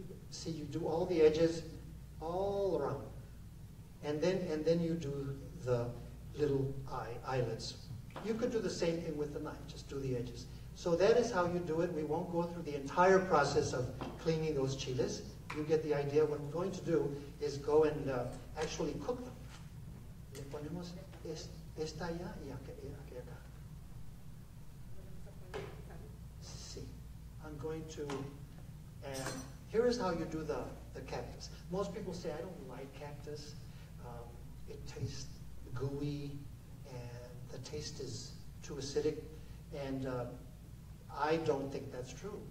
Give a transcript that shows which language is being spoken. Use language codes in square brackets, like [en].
[en] See, you do all the edges all around. And then you do the little eyelets. You could do the same thing with the knife, just do the edges. So that is how you do it. We won't go through the entire process of cleaning those chiles. You get the idea. What we're going to do is go and actually cook them. [es] Le ponemos esta allá y aquí acá. Sí. [en] I'm going to, and here is how you do the cactus. Most people say, I don't like cactus. It tastes gooey. The taste is too acidic, and I don't think that's true.